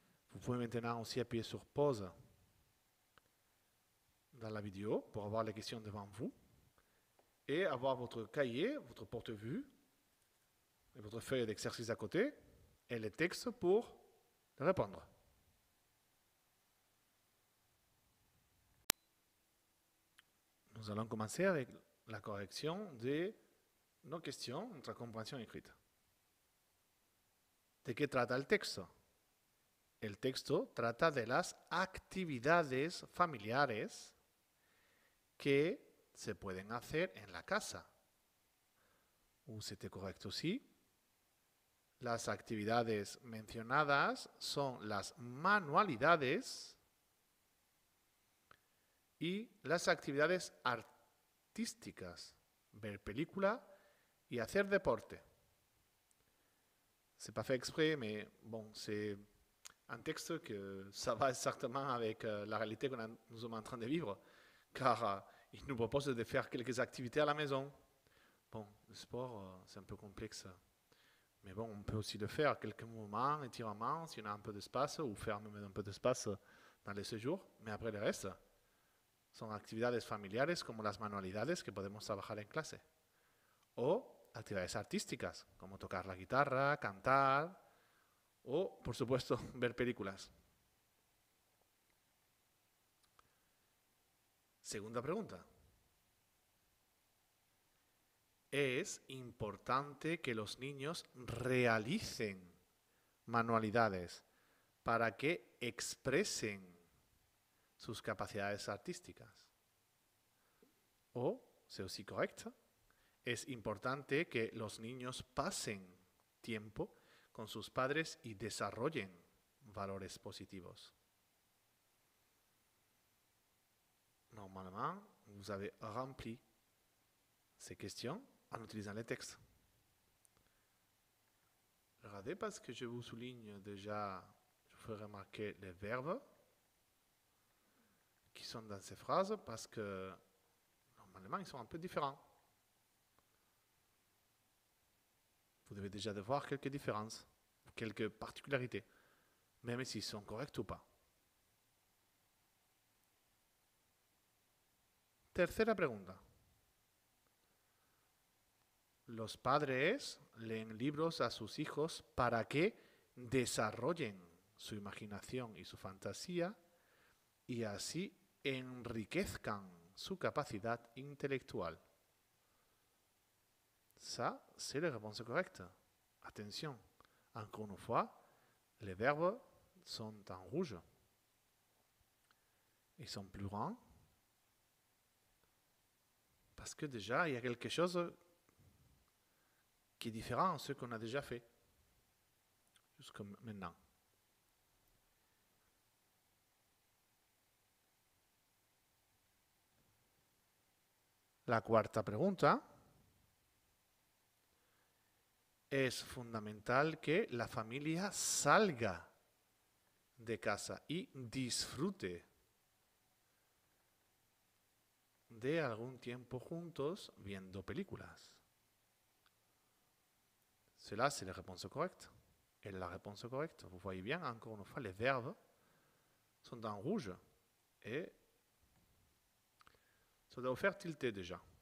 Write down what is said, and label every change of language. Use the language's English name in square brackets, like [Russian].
[French] Vous pouvez maintenant aussi appuyer sur pause dans la vidéo pour avoir les questions devant vous et avoir votre cahier, votre porte-vue et votre feuille d'exercice à côté et les textes pour répondre. Nous allons commencer avec la correction de nos questions, notre compréhension écrite. [Spanish] ¿De qué trata el texto? El texto trata de las actividades familiares que se pueden hacer en la casa. ¿Usted correcto? Sí. Las actividades mencionadas son las manualidades y las actividades artísticas, ver películas y hacer deporte. [French] C'est pas fait exprès, mais bon, c'est un texte que ça va exactement avec la réalité que nous sommes en train de vivre, car il nous propose de faire quelques activités à la maison. Bon, le sport, c'est un peu complexe. Mais bon, on peut aussi le faire, quelques mouvements, étirements, si on a un peu d'espace, ou faire même un peu d'espace dans les séjours. Mais après, le reste, [Spanish] son actividades familiares como las manualidades que podemos trabajar en clase. O actividades artísticas, como tocar la guitarra, cantar, o, por supuesto, ver películas. Segunda pregunta. Es importante que los niños realicen manualidades para que expresen sus capacidades artísticas. O, [French] c'est aussi correct, [Spanish] es importante que los niños pasen tiempo con sus padres y desarrollen valores positivos. [French] Normalement, vous avez rempli ces questions en utilisant les textes. Regardez, parce que je vous souligne déjà, je vous fais remarquer les verbes qui sont dans ces phrases parce que normalement ils sont un peu différents. Vous devez déjà voir quelques différences, quelques particularités, même s'ils sont corrects ou pas. [Spanish] Tercera pregunta. Los padres leen libros a sus hijos para que desarrollen su imaginación y su fantasía y así enriquezcan su capacidad intelectual. [French] Ça, c'est la réponse correcte. Attention, encore une fois, les verbes sont en rouge. Ils sont plus grands. Parce que déjà, il y a quelque chose qui est différent de ce qu'on a déjà fait jusqu'à maintenant. [Spanish] La cuarta pregunta. Es fundamental que la familia salga de casa y disfrute de algún tiempo juntos viendo películas. [French] Cela, c'est la réponse correcte. Et la réponse correcte, vous voyez bien, encore une fois, les verbes sont en rouge et ça doit vous faire tilter déjà.